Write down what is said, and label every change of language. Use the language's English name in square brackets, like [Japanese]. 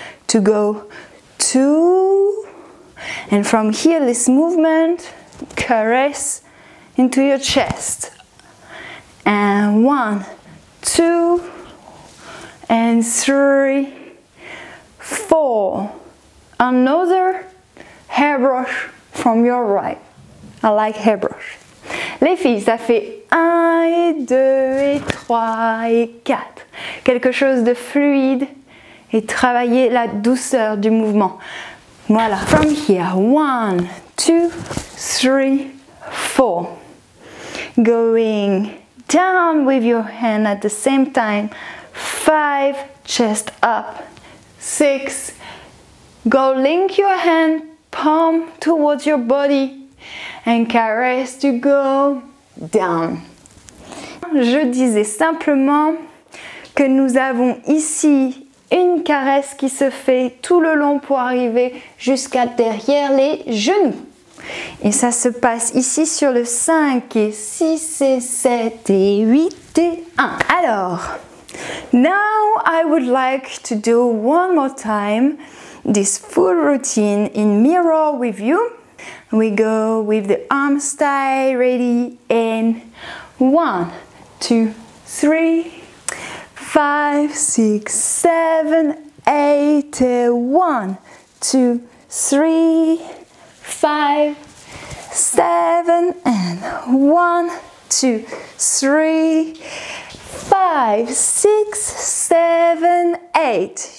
[English] To go two, and from here this movement, caress into your chest, and one, two, and three, four, another hairbrush from your right. I like hairbrush. [French] Les filles, ça fait un et deux et trois et quatre. Quelque chose de fluide. Et travailler la douceur du mouvement. Voilà. [English] From here. One, two, three, four. Going down with your hand at the same time. Five, chest up. Six. Go link your hand, palm towards your body. And caress to go down. [French] Je disais simplement que nous avons ici une caresse qui se fait tout le long pour arriver jusqu'à derrière les genoux. Et ça se passe ici sur le 5 et 6 et 7 et 8 et 1. [English] Alors, now I would like to do one more time this full routine in mirror with you. We go with the arms stay ready and 1, 2, 3, 5, 6, 7, 8, 1, 2, 3, 5, 7, and 1, 2, 3, 5, 6, 7, 8.